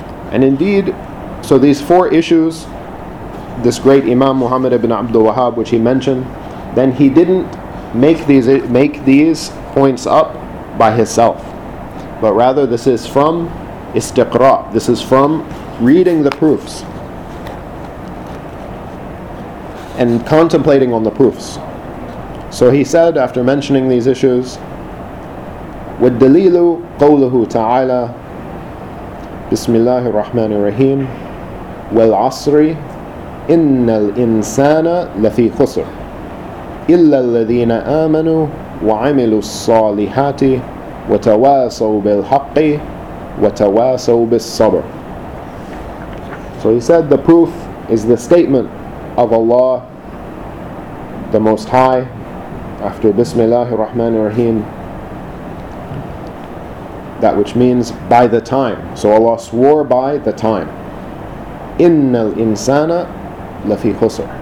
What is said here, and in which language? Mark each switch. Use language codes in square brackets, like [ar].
[en] And indeed, so these four issues, this great Imam Muhammad ibn Abdul Wahhab, which he mentioned, then he didn't make these points up by himself, but rather this is from istiqra, this is from reading the proofs and contemplating on the proofs. So he said, after mentioning these issues, [ar] وَالدَّلِيلُ قَوْلُهُ تَعَالَى بِسْمِ اللَّهِ الرَّحْمَنِ الرَّحِيمِ وَالْعَصْرِ إِنَّ الْإِنسَانَ لَفِي خُسْرٍ إِلَّا الَّذِينَ آمَنُوا وَعَمِلُوا الصَّالِحَاتِ وَتَوَاسَوْا بِالْحَقِّ وَتَوَاسَوْا بِالصَّبْرِ. [en] So he said the proof is the statement of Allah the Most High after Bismillahir Rahmanir Rahim, that which means by the time. So Allah swore by the time. [ar] Innal insana lafi khusr.